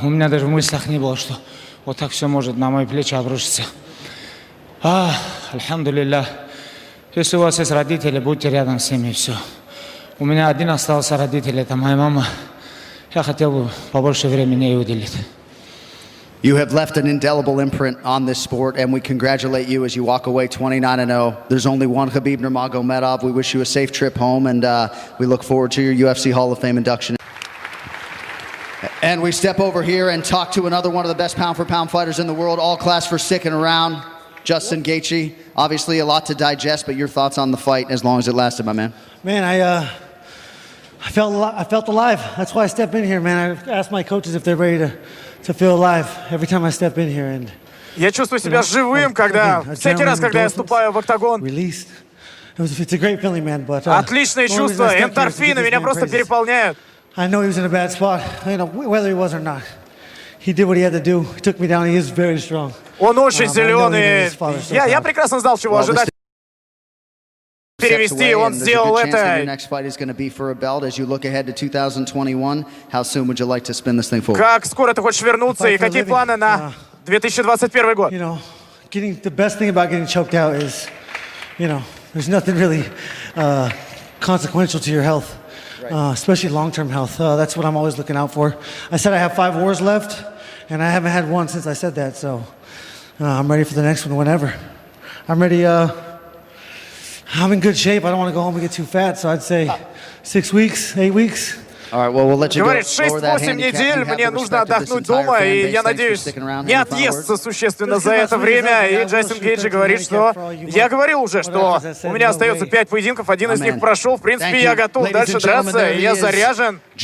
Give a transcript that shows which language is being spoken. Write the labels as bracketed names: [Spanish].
[Russian] У меня даже в мыслях не было, что вот так все может на мои плечи обрушиться. Альхамдулилля. Если у вас есть родители, будьте рядом с ними, все. У меня один остался родитель, это моя мама. Я хотел бы побольше времени ей уделить. [English] You have left an indelible imprint on this sport, and we congratulate you as you walk away 29-0. There's only one Khabib Nurmagomedov. We wish you a safe trip home, and we look forward to your UFC Hall of Fame induction. And we step over here and talk to another one of the best pound-for-pound fighters in the world, all class for sticking around, Justin Gaethje. Obviously, a lot to digest, but your thoughts on the fight as long as it lasted, my man. Man, I felt alive. That's why I step in here, man. I asked my coaches if they're ready to feel alive every time I step in here. And [Russian] я чувствую себя живым, когда всякий раз, когда я ступаю в октагон. [English] Released. It's a great feeling, man. But [Russian] отличное чувство, эндорфины меня просто переполняют. [English] I know he was in a bad spot, you know, whether he was or not. He did what he had to do. He took me down. He is very strong. [Russian] Он очень зеленый. Я прекрасно знал, чего ожидать. Перевести, он сделал это. [English] Your next fight is going to be for a belt. As you look ahead to 2021, how soon would you like to spin this thing forward? [Russian] Как скоро ты хочешь вернуться и какие планы на 2021 год? [English] You know, getting the best thing about getting choked out is, you know, there's nothing really consequential to your health. especially long-term health. That's what I'm always looking out for. I said I have 5 wars left, and I haven't had one since I said that, so I'm ready for the next one whenever. I'm ready. I'm in good shape. I don't want to go home and get too fat, so I'd say 6 weeks, 8 weeks. All right, well, we'll let you [Russian] говорит, 6-8 недель мне нужно отдохнуть дома, и я надеюсь, не отъесться существенно за это время. И Джастин Гейджи говорит, что... Я говорил уже, что у меня остается 5 поединков, один из них прошел. В принципе, я готов дальше драться, и я заряжен.